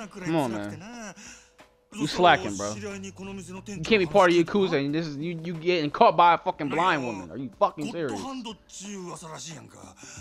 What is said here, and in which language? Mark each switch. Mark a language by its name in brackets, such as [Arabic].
[Japanese] いきなりあんたがすごい勢いで突進してきたもんやから余計切れんかったんや。ビビったのは俺の方やで。まあ、God。今日の予約はもう入っていないはずです。そうなんか。実はもう体がバラバラになりそうなくてな。 [English] You slacking, bro. Come on, man. You can't be part of Yakuza and this is you getting caught by a fucking blind woman. Are you fucking serious? [Japanese] ゴッドハンドっちゅう噂らしいやんか。